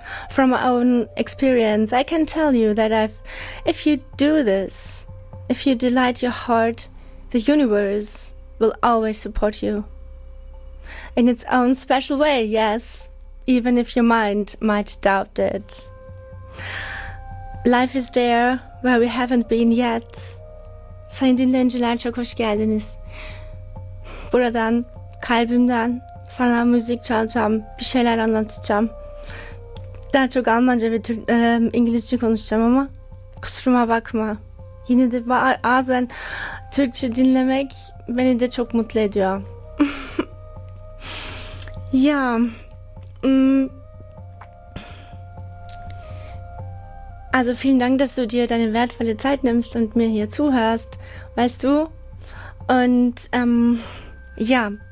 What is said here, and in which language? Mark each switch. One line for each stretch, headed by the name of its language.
English: From my own experience, I can tell you that if you do this, if you delight your heart, the universe will always support you. In its own special way, yes, even if your mind might doubt it. Life is there where we haven't been yet.
Turkish: Sayın dinleyiciler, çok hoş geldiniz. Buradan kalbimden sana müzik çalacağım, bir şeyler anlatacağım. Daha çok Almanca ve İngilizce konuşacağım ama kusuruma bakma. Yine de bazen Türkçe dinlemek beni de çok mutlu ediyor.
German: Ya, also vielen Dank, dass du dir deine wertvolle Zeit nimmst und mir hier zuhörst, weißt du? Und ja.